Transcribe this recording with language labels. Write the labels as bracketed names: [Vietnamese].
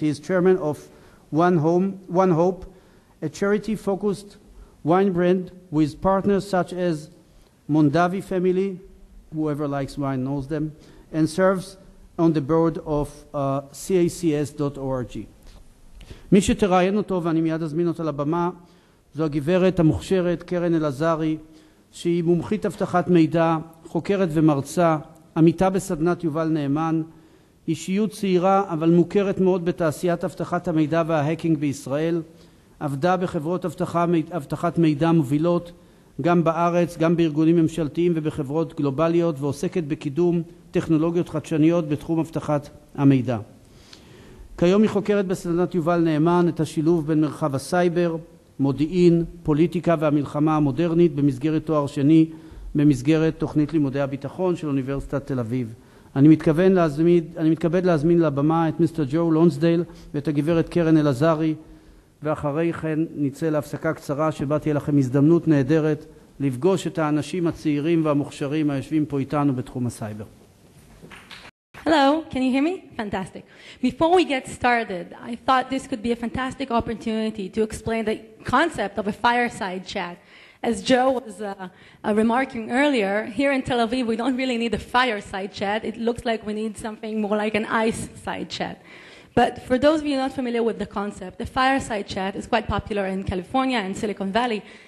[English] He is chairman of One Hope, a charity-focused wine brand with partners such as Mondavi Family, whoever likes wine knows them, and serves on the board of CACS.org. [Hebrew] מי שתראיין אותו, ואני מיד אזמין אותו לבמה, זו הגברת המוכשרת קרן אלעזרי, שהיא מומחית אבטחת מידע, חוקרת ומרצה, עמיתה בסדנת יובל נאמן, אישיות צעירה אבל מוכרת מאוד בתעשיית אבטחת המידע וההקינג בישראל, עבדה בחברות אבטחת מידע מובילות גם בארץ, גם בארגונים ממשלתיים ובחברות גלובליות, ועוסקת בקידום טכנולוגיות חדשניות בתחום אבטחת המידע. כיום היא חוקרת בסדנת יובל נאמן את השילוב בין מרחב הסייבר, מודיעין, פוליטיקה והמלחמה המודרנית במסגרת תואר שני במסגרת תוכנית לימודי הביטחון של אוניברסיטת תל אביב. אני מתכבד להזמין לבמה את מיסטר ג'ו לונסדייל ואת הגברת קרן אלעזרי, ואחרי כן נצא להפסקה קצרה שבה תהיה לכם הזדמנות נהדרת לפגוש את האנשים הצעירים והמוכשרים היושבים פה איתנו בתחום הסייבר. [English] Hello, can you hear me? Fantastic. Before we get started, I thought this could be a fantastic opportunity to explain the concept of a fireside chat. As Joe was remarking earlier, here in Tel Aviv, we don't really need a fireside chat. It looks like we need something more like an ice side chat. But for those of you not familiar with the concept, the fireside chat is quite popular in California and Silicon Valley.